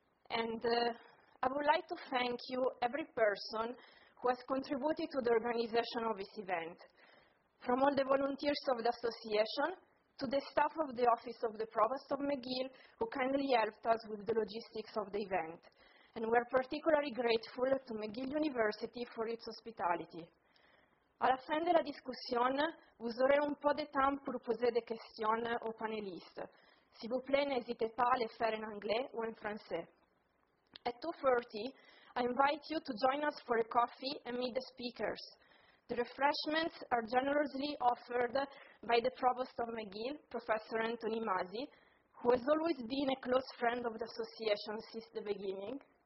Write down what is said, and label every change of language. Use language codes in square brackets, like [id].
[en] And I would like to thank you, every person who has contributed to the organization of this event, from all the volunteers of the association to the staff of the Office of the Provost of McGill who kindly helped us with the logistics of the event. And we're particularly grateful to McGill University for its hospitality. [fr] À la fin de la discussion, vous aurez un peu de temps pour poser des questions aux panélistes. S'il vous plaît, n'hésitez pas à les faire en anglais ou en français. [en] At 2:30, I invite you to join us for a coffee and meet the speakers. The refreshments are generously offered by the Provost of McGill, Professor Anthony Masi, who has always been a close friend of the association since the beginning.